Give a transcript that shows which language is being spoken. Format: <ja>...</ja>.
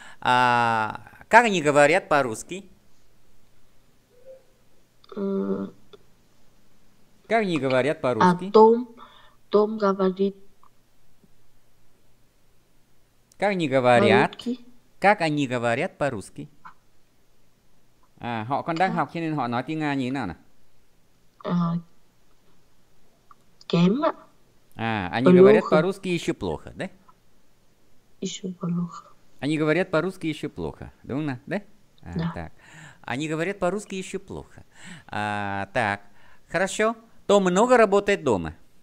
<ru>А, как они говорят по-русски? Как они говорят по-русски? А Том говорит... Как они говорят? По-русски? Как они говорят по-русски?</ru> <vi>А, họ còn đang học, cho nên họ nói tiếng Nga như thế nào nè?</vi> <ru>Кем? А, они плохо. Говорят по-русски еще плохо, да? Еще плохо. Они говорят по-русски еще плохо, думаю, да? Да. А, так. Они говорят по-русски еще плохо. А, так, хорошо. Том много работает дома?</ru>